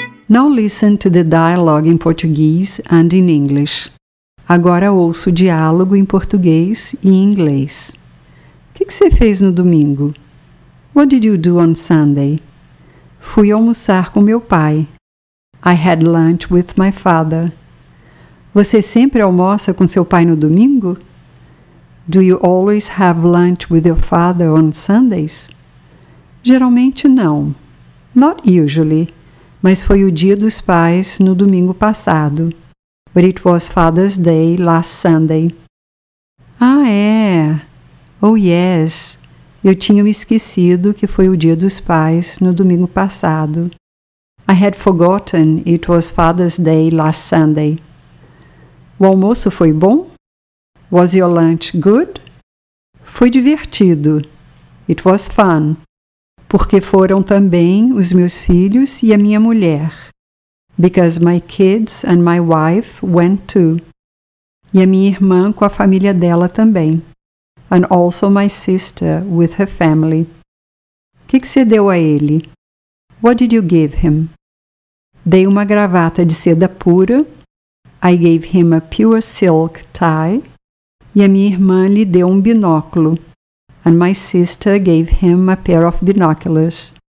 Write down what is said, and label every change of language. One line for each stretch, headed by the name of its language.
English: Now listen to the dialogue in Portuguese and in English.
Portuguese: Agora ouço o diálogo em português e em inglês. O que você fez no domingo?
English: What did you do on Sunday?
Portuguese: Fui almoçar com meu pai.
English: I had lunch with my father.
Portuguese: Você sempre almoça com seu pai no domingo?
English: Do you always have lunch with your father on Sundays?
Portuguese: Geralmente não.
English: Not usually.
Portuguese: Mas foi o Dia dos Pais no domingo passado.
English: But it was Father's Day last Sunday.
Portuguese: Ah, é.
English: Oh, yes.
Portuguese: Eu tinha me esquecido que foi o Dia dos Pais no domingo passado.
English: I had forgotten it was Father's Day last Sunday.
Portuguese: O almoço foi bom?
English: Was your lunch good?
Portuguese: Foi divertido.
English: It was fun.
Portuguese: Porque foram também os meus filhos e a minha mulher.
English: Because my kids and my wife went too.
Portuguese: E a minha irmã com a família dela também.
English: And also my sister with her family.
Portuguese: Que você deu a ele?
English: What did you give him?
Portuguese: Dei uma gravata de seda pura.
English: I gave him a pure silk tie.
Portuguese: E a minha irmã lhe deu um binóculo.
English: And my sister gave him a pair of binoculars.